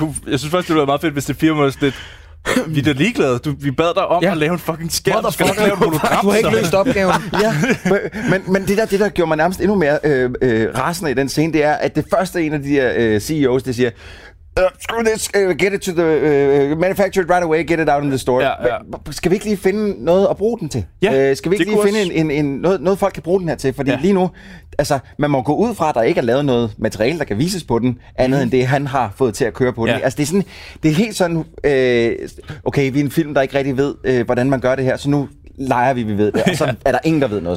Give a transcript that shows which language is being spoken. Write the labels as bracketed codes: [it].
[da] jeg synes faktisk, det ville være meget fedt, hvis det firmaet også lidt... Vi er da ligeglade. Vi bad dig om at lave en fucking skærm. Skal du lave en hologram? Du har ikke løst opgaven. Ja. Men det der gjorde mig nærmest endnu mere rasende i den scene, det er, at det første en af de der CEOs, der siger... [en] Screw this, get it to the manufactured right away, get it out in the store. [da] Ja, ja. Skal vi ikke lige finde noget at bruge den til? Ja, skal vi ikke lige finde en noget folk kan bruge den her til? Fordi ja. Lige nu, altså, man må gå ud fra, at der ikke er lavet noget materiale, der kan vises på den, andet end det, han har fået til at køre på den. Altså, det er sådan, det er helt sådan, okay, vi er en film, der ikke rigtig ved, hvordan man gør det her, så nu leger vi ved det, og så er der ingen, der ved noget.